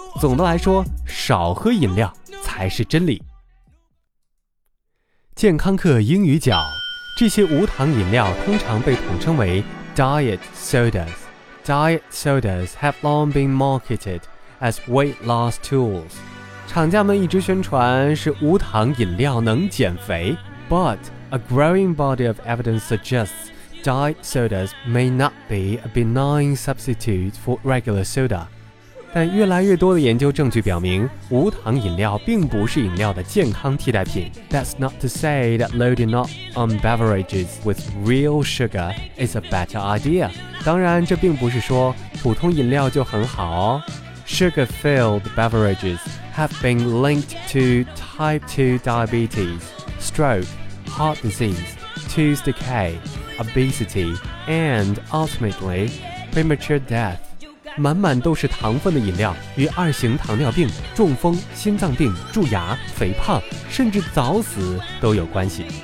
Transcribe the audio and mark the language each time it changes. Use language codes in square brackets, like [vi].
[zh] 总的来说，少喝饮料才是真理。健康课英语角，这些无糖饮料通常被统称为 Diet Sodas。 [en] Diet Sodas have long been marketed as weight loss tools. [zh] 厂家们一直宣传是无糖饮料能减肥， [en] but a growing body of evidence suggests diet sodas may not be a benign substitute for regular soda. [zh] 但越来越多的研究证据表明，无糖饮料并不是饮料的健康替代品。 [en] That's not to say that loading up on beverages with real sugar is a better idea. [zh] 当然，这并不是说普通饮料就很好哦。 [en] Sugar-filled beverages have been linked to type 2 diabetes, stroke, heart disease, tooth decay, obesity, and ultimately, premature death. [zh] 满满都是糖分的饮料与二型糖尿病、中风、心脏病、蛀牙、肥胖、甚至早死都有关系。